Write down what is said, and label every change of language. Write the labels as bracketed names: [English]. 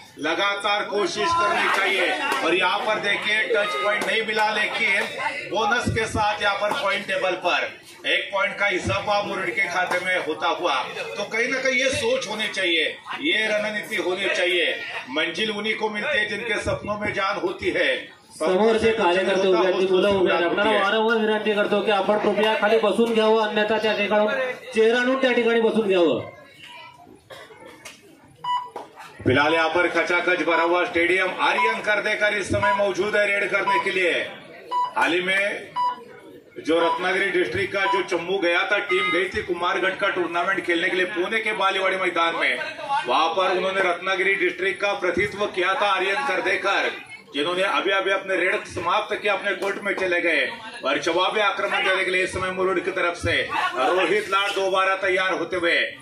[Hindi] लगातार कोशिश करनी चाहिए और यहाँ पर देखिए टच पॉइंट नहीं मिला लेकिन बोनस के साथ यहाँ पर पॉइंट टेबल पर एक पॉइंट का हिसाब मुरूड के खाते में होता हुआ. तो कहीं ना कहीं ये सोच होनी चाहिए, ये रणनीति होनी चाहिए. मंजिल उन्हीं को मिलती है जिनके सपनों में जान होती है. [Marathi] समोर जे कार्यकर्ते उभे आहेत तुला उभे आहेत आपल्याला वारंवार विनंती करतो की आपण कृपया खाली बसून घ्यावं, अन्यथा त्या ठिकाणी चेहरा आणून त्या ठिकाणी बसून घ्यावं. [Hindi] फिलहाल यहाँ पर खचाखच भरा हुआ स्टेडियम आर्यन करदेकर इस समय मौजूद है रेड करने के लिए. हाल ही में जो रत्नागिरी डिस्ट्रिक्ट का जो चम्मू गया था टीम गई थी कुमारगढ़ का टूर्नामेंट खेलने के लिए पुणे के बालीवाड़ी मैदान में, वहां पर उन्होंने रत्नागिरी डिस्ट्रिक्ट का प्रतिनिधित्व किया था आर्यन करदेकर, जिन्होंने अभी अभी अपने रेड समाप्त किया अपने कोर्ट में चले गए और जवाबी आक्रमण देने के लिए इस समय मुरूड की तरफ से रोहित लाड़ दोबारा तैयार होते हुए.